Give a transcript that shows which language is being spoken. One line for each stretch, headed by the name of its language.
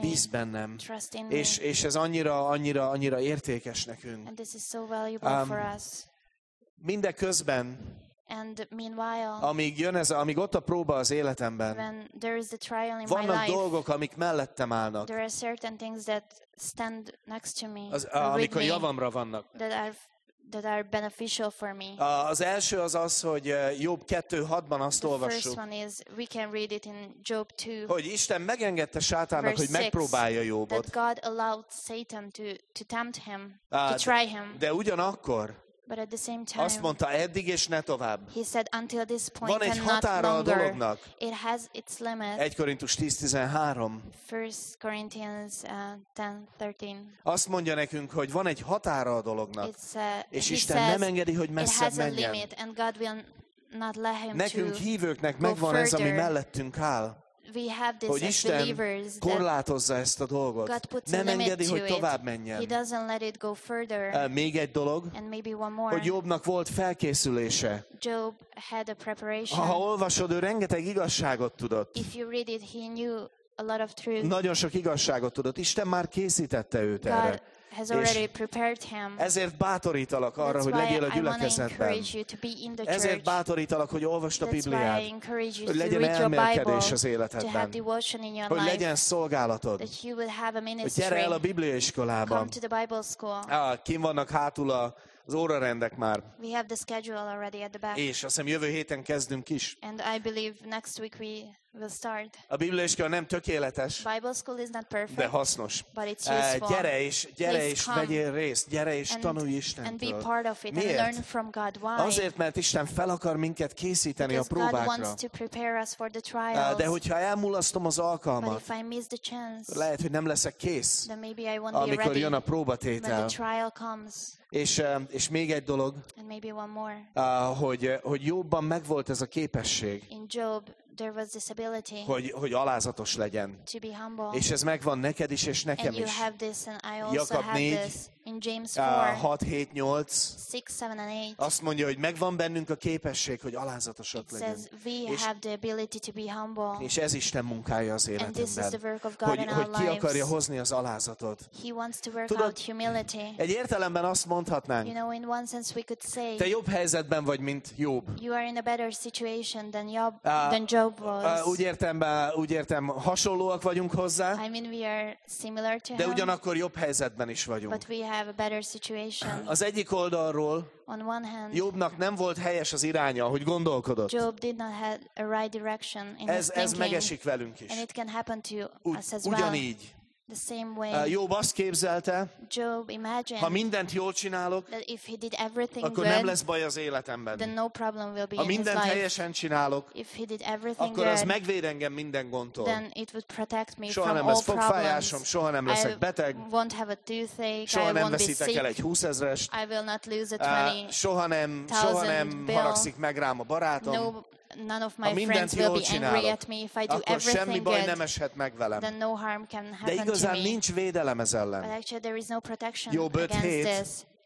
Hungarian: bíz bennem.
English: Trust in
Hungarian: és ez annyira értékes nekünk.
English: And this is so valuable for us.
Hungarian: Mindeközben,
English: and meanwhile,
Hungarian: amíg jön ez, amíg ott a próba az életemben,
English: when there is the trial in
Hungarian: vannak
English: my life,
Hungarian: dolgok, amik mellettem állnak,
English: there are certain things that stand next to me,
Hungarian: az, amik a javamra vannak,
English: that are beneficial for me.
Hungarian: Az első az az, hogy Jobb 2:6-ban azt
English: the
Hungarian: olvassuk,
English: first one is, we can read it in Job 2,
Hungarian: hogy Isten megengedte Sátánnak, hogy megpróbálja Jobot,
English: that God allowed Satan to tempt him, to try him.
Hungarian: De ugyanakkor,
English: but at the same time,
Hungarian: azt mondta, eddig és ne tovább.
English: He said, until this point
Hungarian: van egy
English: and
Hungarian: határa
English: not
Hungarian: a dolognak.
English: It has its limit.
Hungarian: 1 Korintus 10:13.
English: 1 Corinthians 10:13.
Hungarian: Azt mondja nekünk, hogy van egy határa a dolognak. És Isten
English: says,
Hungarian: nem engedi, hogy messzebb menjen.
English: It has a limit and God will not let him
Hungarian: nekünk
English: to
Hungarian: hívőknek megvan
English: further.
Hungarian: Ez, ami mellettünk áll.
English: We have this
Hungarian: hogy Isten korlátozza ezt a dolgot. Nem engedi, hogy tovább menjen.
English: He doesn't let it go further.
Hungarian: Még egy dolog,
English: and maybe one more.
Hungarian: Hogy Jobnak volt felkészülése.
English: Job had a preparation.
Hungarian: Ha olvasod, ő rengeteg igazságot tudott.
English: If you read it, he knew a lot of truth.
Hungarian: Nagyon sok igazságot tudott. Isten már készítette őt
English: God
Hungarian: erre.
English: Has already prepared him.
Hungarian: Ezért bátorítalak arra,
English: that's
Hungarian: hogy legyél a gyülekezetben. Ezért bátorítalak, hogy olvasd a Bibliát. Hogy legyen elmélkedés az életedben. Hogy legyen szolgálatod. Hogy gyere el a Biblia iskolába. Kim vannak hátul az órarendek már.
English: We have the schedule already at the back.
Hungarian: És azt hiszem, jövő héten kezdünk is.
English: And I believe next week we will start.
Hungarian: A Biblia iskola nem tökéletes.
English: Bible school is not perfect.
Hungarian: De hasznos.
English: But it's useful.
Hungarian: Gyere és vegyél részt. Gyere és tanulj Istentől.
English: And be part of it.
Hungarian: Miért?
English: And learn from God. Why?
Hungarian: Azért, mert Isten fel akar minket készíteni
English: because
Hungarian: a próbákra.
English: God wants to prepare us for the trials.
Hungarian: De hogyha elmulasztom az alkalmat,
English: but if I miss the chance,
Hungarian: lehet, hogy nem leszek kész,
English: then maybe I won't
Hungarian: amikor
English: be ready
Hungarian: jön a próbatétel.
English: When the trial comes.
Hungarian: És még egy dolog,
English: and maybe one more.
Hungarian: Hogy Jobban megvolt ez a képesség,
English: in Job, there was this ability,
Hungarian: hogy alázatos legyen,
English: to be humble.
Hungarian: És ez megvan neked is, és nekem
English: and you
Hungarian: is.
English: Have this, and I also
Hungarian: Jakab
English: have
Hungarian: 4,
English: this. In James 4,
Hungarian: 6-7-8, azt mondja, hogy megvan bennünk a képesség, hogy alázatosak legyünk.
English: Says, we és, have the ability to be humble.
Hungarian: És ez Isten munkája az életünkben, hogy ki akarja hozni az alázatot.
English: He wants to work out humility.
Hungarian: Egy értelemben azt mondhatnánk,
English: you know, in one sense we could say,
Hungarian: te jobb helyzetben vagy, mint Jobb.
English: You are in a better situation than Job, than Job was.
Hungarian: Úgy értem, hasonlóak vagyunk hozzá,
English: I mean, we are similar to
Hungarian: de
English: him,
Hungarian: ugyanakkor jobb helyzetben is vagyunk.
English: But we have a better situation.
Hungarian: Az egyik oldalról
English: on one hand,
Hungarian: Jobbnak nem volt helyes az iránya, hogy gondolkodott.
English: Job did not have a right direction in his thinking.
Hungarian: Ez megesik velünk is.
English: And it can happen to us as
Hungarian: ugyanígy.
English: The same way.
Hungarian: Job azt képzelte,
English: Job imagined,
Hungarian: ha mindent jól csinálok,
English: that if he did everything
Hungarian: akkor
English: good,
Hungarian: nem lesz baj az életemben.
English: Then no problem will be
Hungarian: ha mindent helyesen csinálok,
English: if he did everything
Hungarian: akkor
English: good,
Hungarian: az megvéd engem minden gondtól.
English: Then it would protect me
Hungarian: soha
English: from
Hungarian: nem lesz fogfájásom, soha nem leszek beteg,
English: won't have a toothache,
Hungarian: soha
English: I
Hungarian: nem
English: won't
Hungarian: veszítek
English: be sick,
Hungarian: el egy 20 000-est,
English: I will not lose a 20,000
Hungarian: soha nem haragszik meg rám a barátom,
English: no, none of my friends will be angry at me if I do everything good,
Hungarian: nem eshet meg velem.
English: Then no harm can happen to me.
Hungarian: De igazán nincs védelem ez ellen.
English: But actually there is no protection against this.